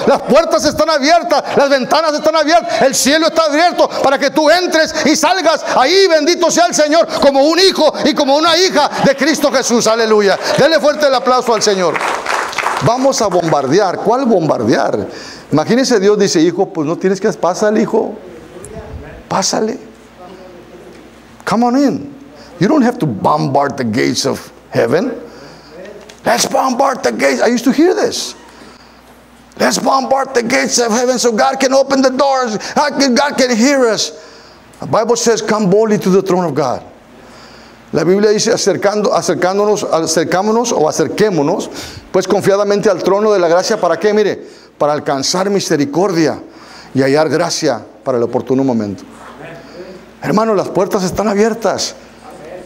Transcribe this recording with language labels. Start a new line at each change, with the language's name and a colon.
Spanish: Las puertas están abiertas, las ventanas están abiertas, el cielo está abierto para que tú entres y salgas ahí, bendito sea el Señor, como un hijo y como una hija de Cristo Jesús. Aleluya. Dele fuerte el aplauso al Señor. Vamos a bombardear. ¿Cuál bombardear? Imagínese, Dios dice, hijo, pues no tienes que, pásale, hijo, pásale.
English: Come on in. You don't have to bombard the gates of heaven. Let's bombard the gates. I used to hear this. Let's bombard the gates of heaven so God can open the doors. God can hear us. The Bible says, come boldly to the throne of God.
Spanish: La Biblia dice, acerquémonos, pues confiadamente al trono de la gracia, ¿para qué? Mire, para alcanzar misericordia y hallar gracia para el oportuno momento. Amén. Hermano, las puertas están abiertas. Amén.